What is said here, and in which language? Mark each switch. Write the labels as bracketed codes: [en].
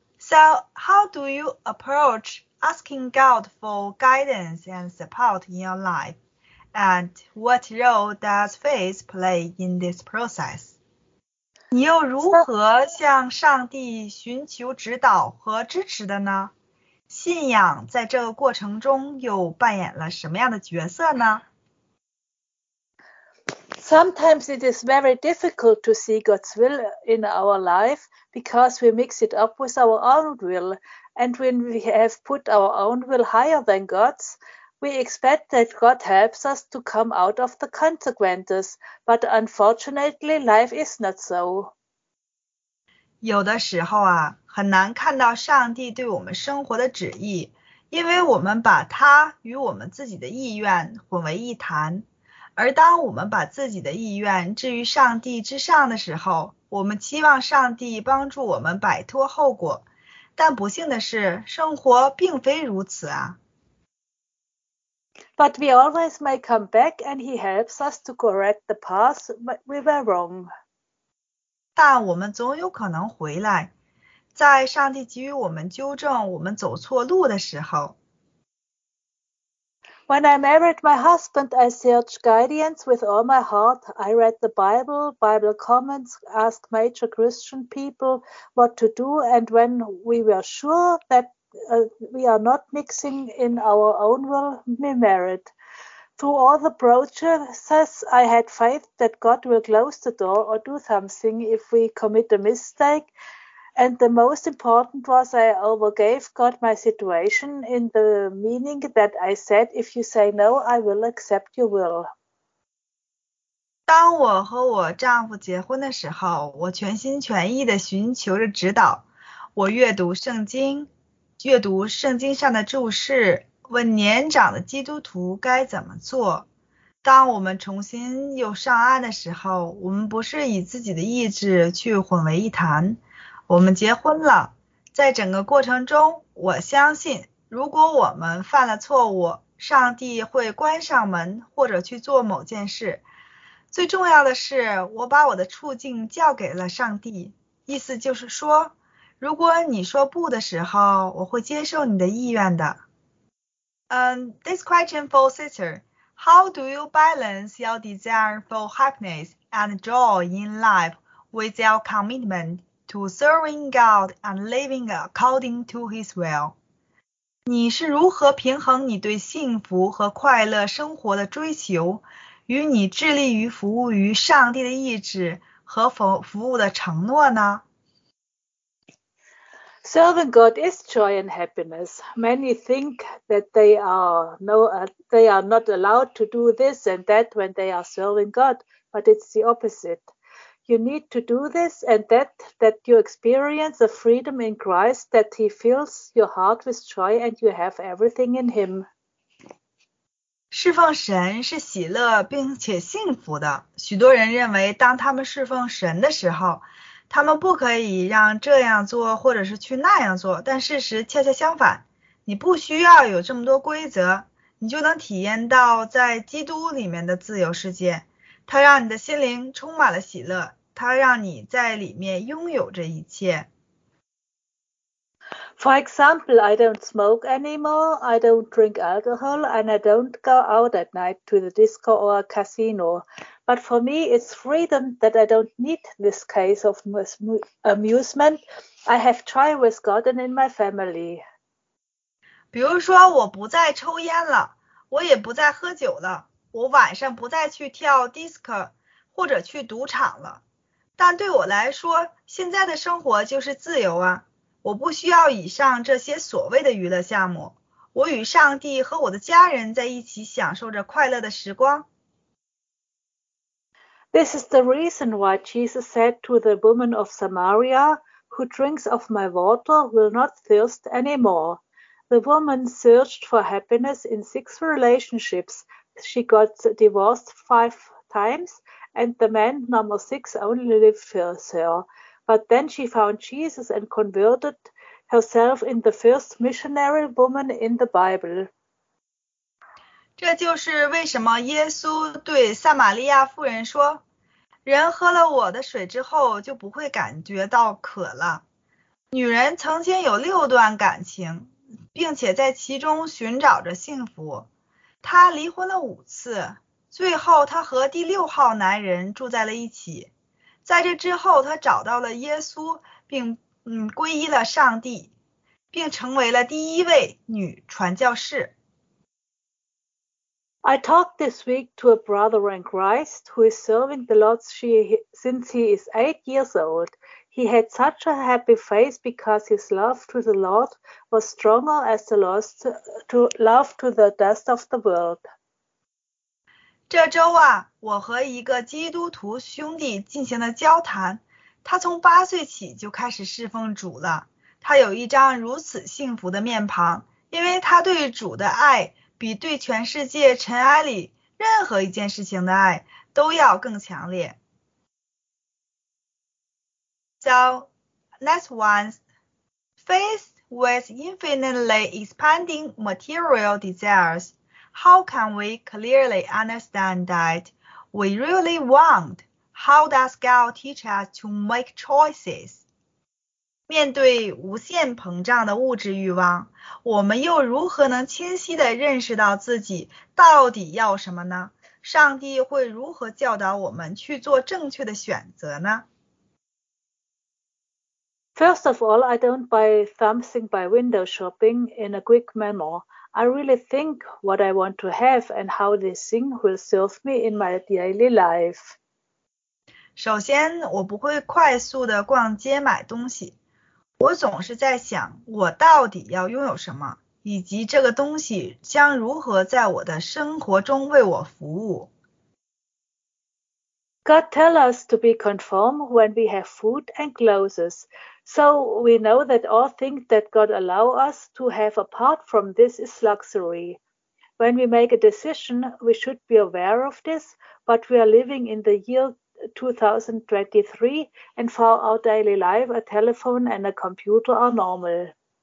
[en] So, how do you approach asking God for guidance and support in your life? And what role does faith play in this process? [zh] 你又如何向上帝寻求指导和支持的呢？信仰在这个过程中又扮演了什么样的角色呢？ [en] Sometimes it is very difficult to see God's will in our life because we mix it up with our own will. And when we have put our own will higher than God's, we expect that God helps us to come out of the consequences. But unfortunately, life is not so. [zh] 有的时候啊，很难看到上帝对我们生活的旨意，因为我们把它与我们自己的意愿混为一谈。而当我们把自己的意愿置于上帝之上的时候，我们期望上帝帮助我们摆脱后果，但不幸的是，生活并非如此啊。 [en] But we always may come back and he helps us to correct the path we were wrong. [zh] 但我们总有可能回来，在上帝给予我们纠正我们走错路的时候。 [en] When I married my husband, I searched guidance with all my heart. I read the Bible, Bible comments, asked major Christian people what to do, and when we were sure that we are not mixing in our own will, we married. Through all the processes, I had faith that God will close the door or do something if we commit a mistake. And the most important was I overgave God my situation in the meaning that I said, if you say no, I will accept your will. [zh] 当我和我丈夫结婚的时候，我全心全意地寻求着指导。我阅读圣经，阅读圣经上的注释，问年长的基督徒该怎么做。当我们重新又上岸的时候，我们不是以自己的意志去混为一谈。我们结婚了，在整个过程中，我相信，如果我们犯了错误，上帝会关上门或者去做某件事。最重要的是，我把我的处境交给了上帝，意思就是说，如果你说不的时候，我会接受你的意愿的。 [en] This question for sister, how do you balance your desire for happiness and joy in life with your commitment? To serving God and living according to His will. [zh] 你是如何平衡你对幸福和快乐生活的追求与你致力于服务于上帝的意志和服务的承诺呢？ [en] Serving God is joy and happiness. Many think that they are not allowed to do this and that when they are serving God, but it's the opposite. You need to do this and that you experience a freedom in Christ, that he fills your heart with joy and you have everything in him. [zh] 侍奉神是喜乐并且幸福的。许多人认为当他们侍奉神的时候，他们不可以让这样做或者是去那样做，但事实恰恰相反，你不需要有这么多规则，你就能体验到在基督里面的自由世界。它让你的心灵充满了喜乐，它让你在里面拥有这一切。 [en] For example, I don't smoke anymore, I don't drink alcohol, and I don't go out at night to the disco or a casino. But for me, it's freedom that I don't need this case of amusement. I have joy with God and in my family. [zh] 比如说，我不再抽烟了，我也不再喝酒了。我晚上不再去跳 disco 或者去赌场了，但对我来说，现在的生活就是自由啊！我不需要以上这些所谓的娱乐项目，我与上帝和我的家人在一起享受着快乐的时光。 [en] This is the reason why Jesus said to the woman of Samaria, "Who drinks of my water will not thirst anymore." The woman searched for happiness in 6 relationships. She got divorced 5 times, and the man number 6 only lived for her. But then she found Jesus and converted herself in the first missionary woman in the Bible. [zh] 这就是为什么耶稣对撒玛利亚妇人说，人喝了我的水之后就不会感觉到渴了。女人曾经有6段感情，并且在其中寻找着幸福。她离婚了5次，最后她和第6号男人住在了一起。在这之后，她找到了耶稣，并皈依了上帝，并成为了第一位女传教士。 [en] I talked this week to a brother in Christ who is serving the Lord since he is 8 years old. He had such a happy face because his love to the Lord was stronger as the love to the dust of the world. [zh] 这周啊，我和一个基督徒兄弟进行了交谈。他从8岁起就开始侍奉主了。他有一张如此幸福的面庞，因为他对主的爱比对全世界尘埃里任何一件事情的爱都要更强烈。 [en] So, next one, faced with infinitely expanding material desires, how can we clearly understand that we really want? How does God teach us to make choices? [zh] 面对无限膨胀的物质欲望，我们又如何能清晰地认识到自己到底要什么呢？上帝会如何教导我们去做正确的选择呢？ [en] First of all, I don't buy something by window shopping in a quick manner. I really think what I want to have and how this thing will serve me in my daily life. [zh] 首先，我不会快速地逛街买东西。我总是在想，我到底要拥有什么，以及这个东西将如何在我的生活中为我服务。 [en] God tell us to be conformed when we have food and clothes. So we know that all things that God allow us to have apart from this is luxury. When we make a decision, we should be aware of this, but we are living in the year 2023 and for our daily life, a telephone and a computer are normal.